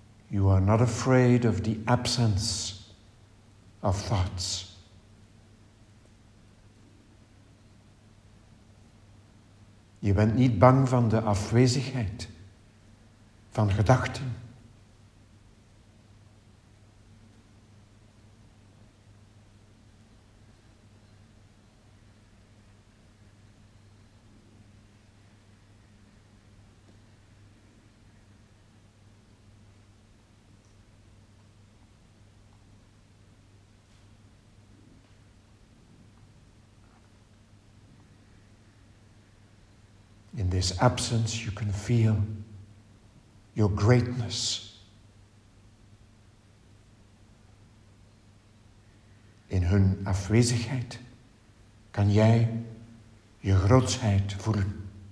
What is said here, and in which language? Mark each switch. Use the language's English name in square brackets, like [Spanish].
[English] You are not afraid of the absence of thoughts. [Dutch] Je bent niet bang van de afwezigheid van gedachten. [English] In this absence, you can feel your greatness. [Dutch] In hun afwezigheid kan jij je grootsheid voelen.